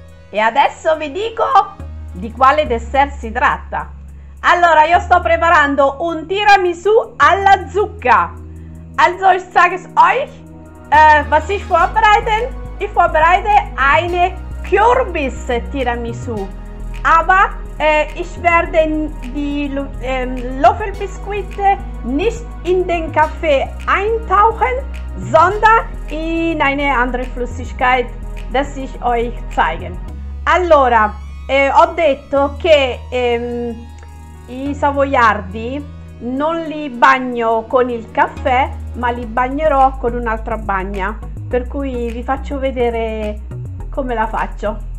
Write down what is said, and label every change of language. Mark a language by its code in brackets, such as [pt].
[it] E adesso vi dico di quale dessert si tratta. Allora, io sto preparando un tiramisù alla zucca. [de] Also, ich sage es euch, was ich vorbereite. Ich vorbereite eine Kürbis-Tiramisù. Aber ich werde die Löffelbiskuit nicht in den Kaffee eintauchen, sondern in eine andere Flüssigkeit, das ich euch zeige. [it] Allora, ho detto che i savoiardi non li bagno con il caffè, ma li bagnerò con un'altra bagna, per cui vi faccio vedere come la faccio.